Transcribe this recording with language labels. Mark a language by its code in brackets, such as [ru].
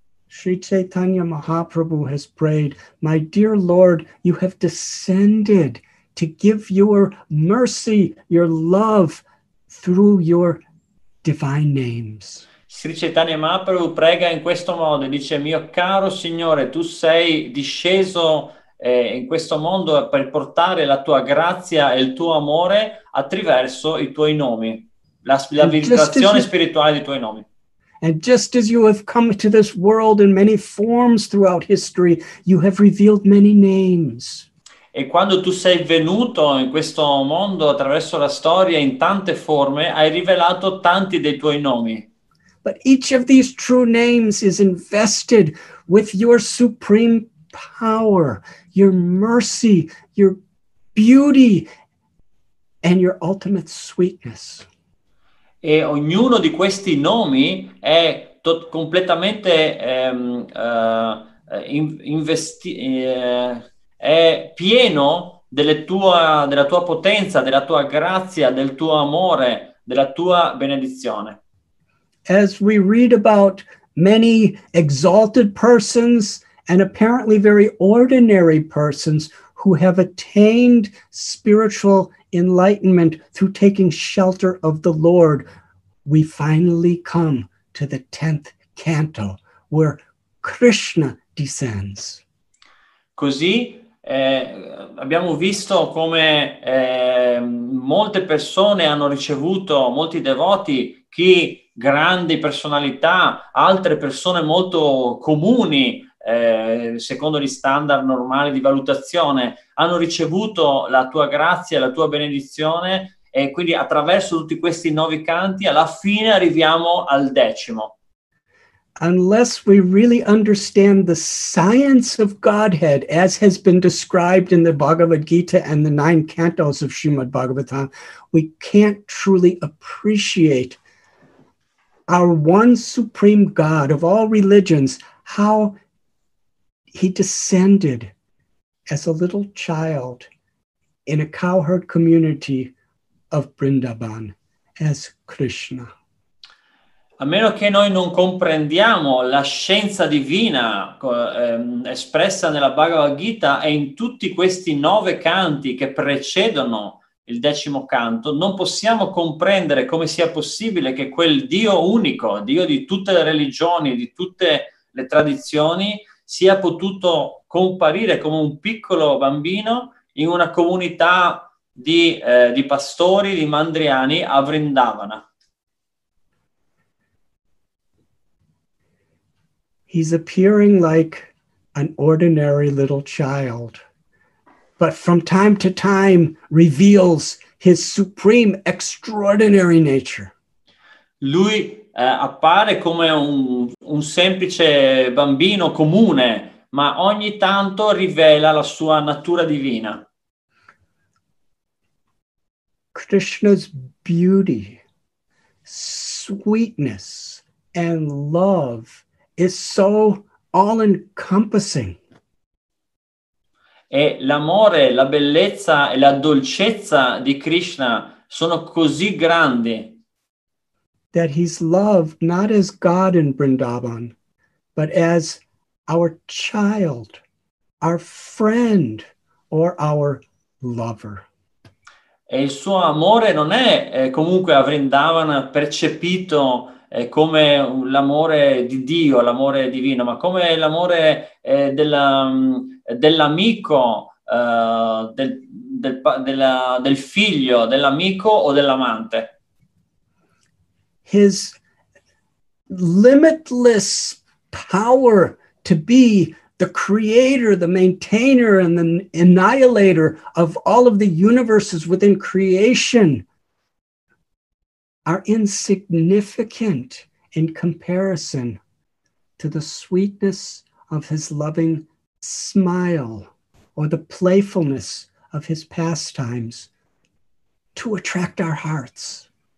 [en] Sri Chaitanya Mahaprabhu has prayed, "My dear Lord, you have descended to give your mercy, your love through your divine names." [it] Sri Chaitanya Mahaprabhu prega in questo modo, dice: "Mio caro Signore, tu sei disceso in questo mondo per portare la tua grazia e il tuo amore attraverso i tuoi nomi, la, la vibrazione spirituale dei tuoi nomi." [en] And just as you have come to this world in many forms throughout history, you have revealed many names. [it] E quando tu sei venuto in questo mondo attraverso la storia in tante forme, hai rivelato tanti dei tuoi nomi. [en] But each of these true names is invested with your supreme power, your mercy, your beauty, and your ultimate sweetness. [it] E ognuno di questi nomi è completamente è pieno delle tua, della tua potenza, della tua grazia, del tuo amore, della tua benedizione. [en] As we read about many exalted persons and apparently very ordinary persons who have attained spiritual enlightenment through taking shelter of the Lord, we finally come to the 10th canto where Krishna descends. [it] Così abbiamo visto come molte persone hanno ricevuto, molti devoti, chi grandi personalità, altre persone molto comuni, secondo gli standard normali di valutazione, hanno ricevuto la tua grazia, la tua benedizione, e quindi attraverso tutti questi nove canti, alla fine arriviamo al decimo. [en] unless we really understand the science of Godhead, as has been described in the Bhagavad Gita and the nine cantos of Srimad Bhagavatam, we can't truly appreciate our one supreme God of all religions, how he descended as a little child in a cowherd community of Vrindavan as Krishna. [it] A meno che noi non comprendiamo la scienza divina espressa nella Bhagavad Gita e in tutti questi nove canti che precedono il decimo canto, non possiamo comprendere come sia possibile che quel Dio unico, Dio di tutte le religioni, di tutte le tradizioni, sia potuto comparire come un piccolo bambino in una comunità di pastori, di mandriani a Vrindavana. [en] He's appearing like an ordinary little child, but from time to time reveals his supreme extraordinary nature. [it] Lui appare come un semplice bambino comune, ma ogni tanto rivela la sua natura divina. [en] Krishna's beauty, sweetness, and love is so all-encompassing. [it] E l'amore, la bellezza e la dolcezza di Krishna sono così grandi [en] that he's loved not as God in Vrindavan, but as our child, our friend, or our lover. [it] E il suo amore non è comunque a Vrindavan percepito come l'amore di Dio, l'amore divino, ma come l'amore dell'amico, del figlio, dell'amico o dell'amante. [en] His limitless power to be the creator, the maintainer, and the annihilator of all of the universes within creation are insignificant in comparison to the sweetness of his loving smile or the playfulness of his pastimes to attract our hearts.